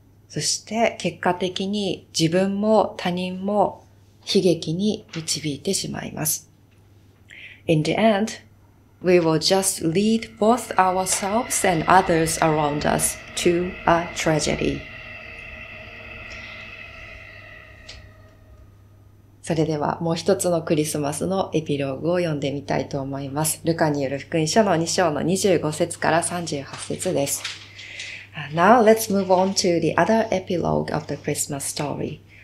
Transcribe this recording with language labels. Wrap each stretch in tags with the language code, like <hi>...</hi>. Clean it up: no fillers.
<ja>そして結果的に自分も他人も悲劇に導いてしまいます。</ja> <en>In the end, we will just lead both ourselves and others around us to a tragedy.</en> <ja>それではもう一つのクリスマスのエピローグを読んでみたいと思います。ルカによる福音書の2章の25節から38節です。</ja> <en>Now let's move on to the other epilogue of the Christmas story.</en>